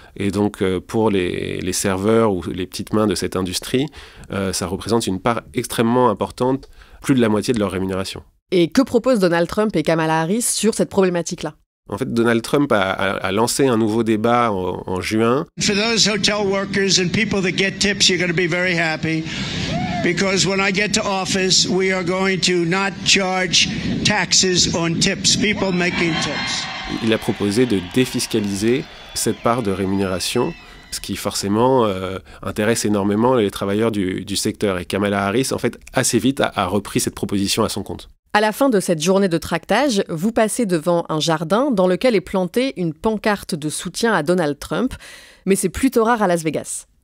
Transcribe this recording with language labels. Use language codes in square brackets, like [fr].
[fr] Et donc, pour les serveurs ou les petites mains de cette industrie, ça représente une part extrêmement importante, plus de la moitié de leur rémunération. Et que proposent Donald Trump et Kamala Harris sur cette problématique-là ? En fait, Donald Trump a lancé un nouveau débat en juin. [en] For those hotel workers and people that get tips, you're going to be very happy. Because when I get to office, we are going to not charge taxes on tips, people making tips. [fr] Il a proposé de défiscaliser cette part de rémunération, ce qui forcément intéresse énormément les travailleurs du secteur. Et Kamala Harris, en fait, assez vite a repris cette proposition à son compte. À la fin de cette journée de tractage, vous passez devant un jardin dans lequel est plantée une pancarte de soutien à Donald Trump, mais c'est plutôt rare à Las Vegas.